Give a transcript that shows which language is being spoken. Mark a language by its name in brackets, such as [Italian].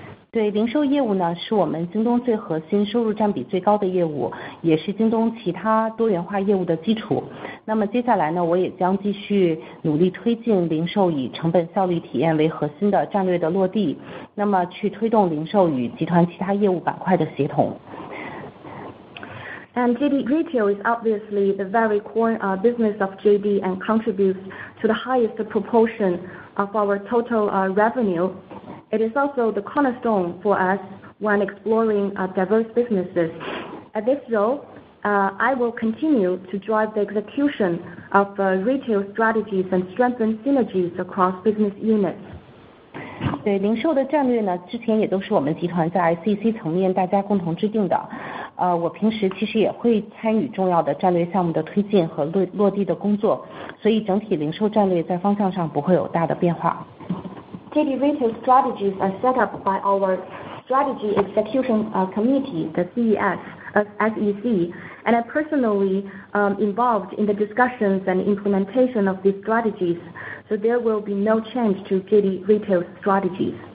[Chinese] 对零售业务呢，是我们京东最核心、收入占比最高的业务，也是京东其他多元化业务的基础。那么接下来呢，我也将继续努力推进零售以成本效率体验为核心的战略的落地，那么去推动零售与集团其他业务板块的协同。 [English] And JD Retail is obviously the very core business of JD and contributes to the highest proportion of our total revenue. It is also the cornerstone for us when exploring diverse businesses. At this role, I will continue to drive the execution of retail strategies and strengthen synergies across business units. [Chinese] 对零售的战略呢，之前也都是我们集团在 ICC 层面大家共同制定的。我平时其实也会参与重要的战略项目的推进和落地的工作，所以整体零售战略在方向上不会有大的变化。 [English] JD Retail strategies are set up by our Strategy Execution Committee, the CES, SEC, and I personally involved in the discussions and implementation of these strategies, so there will be no change to JD Retail's strategies.